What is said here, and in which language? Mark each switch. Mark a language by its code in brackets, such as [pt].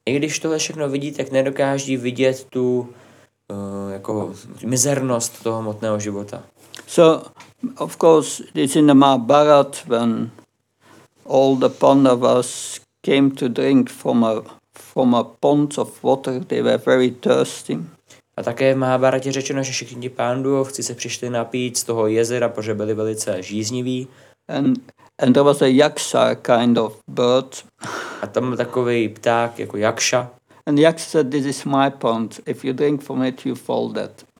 [cs] I když tohle všechno vidí, tak nedokáží vidět tu jako mizernost toho hmotného života. [en] So, of course, it's in the Mahabharat when all the Pandavas came to drink from a pond of water. They were very thirsty. [cs] A také v Mahabharatě řečeno, že všichni ti pánduovci se přišli napít z toho jezera, protože byli velice žízniví. [en] And there was a yaksa kind of bird. [cs] A tam byl takový pták jako yaksa. [en] And the yaksa said, this is my pond. If you drink from it, you fall dead.